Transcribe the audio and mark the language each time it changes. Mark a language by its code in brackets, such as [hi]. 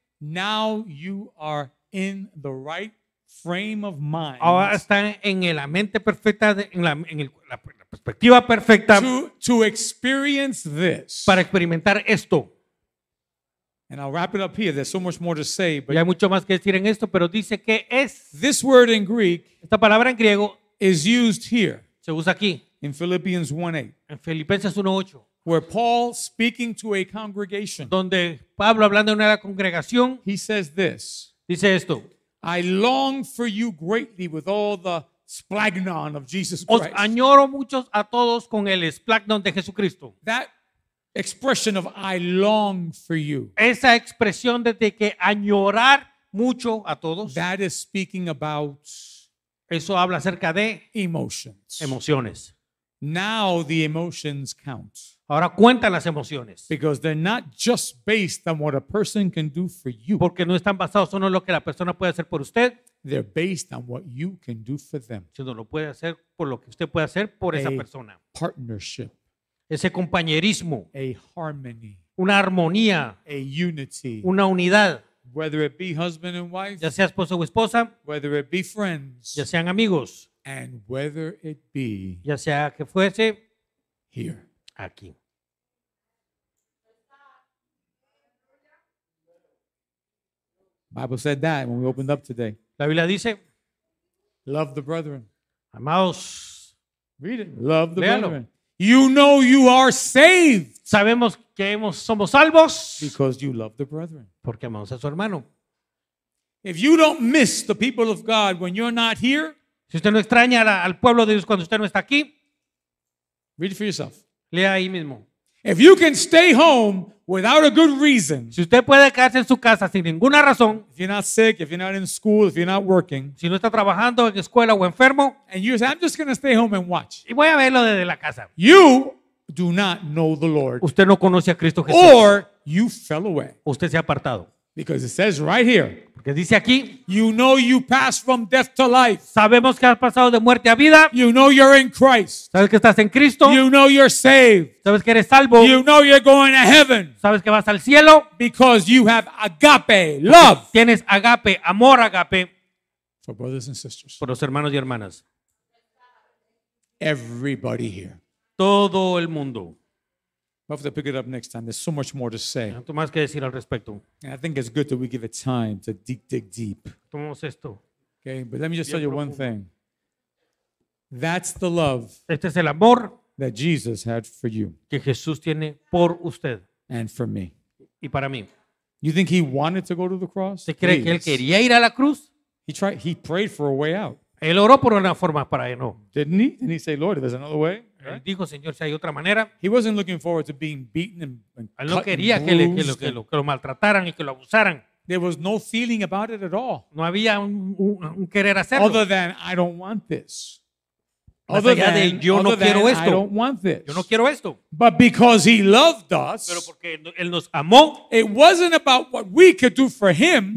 [en] now you are in the right frame of mind. [es] Ahora están en la mente perfecta, en la perspectiva perfecta, [en] to experience this, [es] para experimentar esto. [en] And I'll wrap it up here. There's so much more to say, but [es] y hay mucho más que decir en esto, pero dice que es [en] this word in Greek, [es] esta palabra en griego, [en] is used here, [es] se usa aquí, [en] in Philippians 1:8. [es] En Filipenses 1:8. [en] Where Paul speaking to a congregation, [es] donde Pablo hablando de una congregación, [en] he says this, [es] dice esto, [en] I long for you greatly with all the splagnon of Jesus Christ. [es] Os añoro muchos a todos con el splagnon de Jesucristo. [en] That expression of I long for you. [es] Esa expresión de que añorar mucho a todos. [en] That is speaking about. [es] Eso habla acerca de [en] emotions. [es] Emociones. [en] Now the emotions count. [es] Ahora cuentan las emociones. [en] Because they're not just based on what a person can do for you. [es] Porque no están basados solo en lo que la persona puede hacer por usted. [en] They're based on what you can do for them. [es] Sino lo puede hacer por lo que usted puede hacer por a esa persona. [en] Partnership. [es] ese compañerismo, [en] a harmony, [es] una armonía, [en] a unity, [es] una unidad, [en] whether it be husband and wife, [es] ya sea esposo o esposa, [en] whether it be friends, [es] ya sean amigos, [en] and whether it be, [es] ya sea que fuese, [en] here, [es] aquí. [en] Bible said that when we opened up today. [es] La Biblia dice, [en] love the brethren. [es] Amados. [en] Read it. Love the [es] Léalo. [en] Brethren. You know you are saved. [es] Sabemos que somos salvos. [en] Because you love the brethren. [es] Porque amamos a su hermano. [en] If you don't miss the people of God when you're not here, [es] si usted no extraña al pueblo de Dios cuando usted no está aquí, [en] read it for yourself. [es] Lea ahí mismo. [en] If you can stay home without a good reason, [es] si usted puede quedarse en su casa sin ninguna razón, [en] if you're not sick, if you're not in school, if you're not working, [es] si no está trabajando en escuela o enfermo, [en] and you say, I'm just going to stay home and watch, [es] y voy a verlo desde la casa, [en] you do not know the Lord. [es] Usted no conoce a Cristo Jesús. [en] Or you fell away. [es] Usted se ha apartado. [en] Because it says right here, [es] porque dice aquí, [en] you know you passed from death to life. [es] Sabemos que has pasado de muerte a vida. [en] You know you're in Christ. [es] Sabes que estás en Cristo. [en] You know you're saved. [es] Sabes que eres salvo. [en] You know you're going to heaven. [es] Sabes que vas al cielo. [en] Because you have agape, love. [es] Porque tienes agape, amor agape. [en] For brothers and sisters. [es] Por los hermanos y hermanas. [en] Everybody here. [es] Todo el mundo. [en] We'll have to pick it up next time. There's so much more to say. [es] Tanto más que decir al respecto. [en] And I think it's good that we give it time to dig deep. [es] Tomamos esto. [en] Okay, but let me just tell you one thing. That's the love. [es] Este es el amor [en] that Jesus had for you. [es] Que Jesús tiene por usted. [en] And for me. [es] Y para mí. [en] You think he wanted to go to the cross? [es] ¿Se cree que él quería ir a la cruz? [en] He prayed for a way out. [es] Él oró por una forma para él, ¿no? [en] Didn't he? Didn't he say, Lord, there's another way? [es] Él dijo, Señor, si hay otra manera. [en] He wasn't looking forward to being beaten and cut. [es] Él no quería que lo maltrataran y que lo abusaran. [en] There was no feeling about it at all. [es] No había un querer hacerlo. [en] Other than I don't want this. Other than [es] de, yo [en] other [es] no quiero [en] than, [es] esto. [en] I don't want this. [es] Yo no quiero esto. [en] But because he loved us. [es] Pero porque él nos amó. [en] It wasn't about what we could do for him.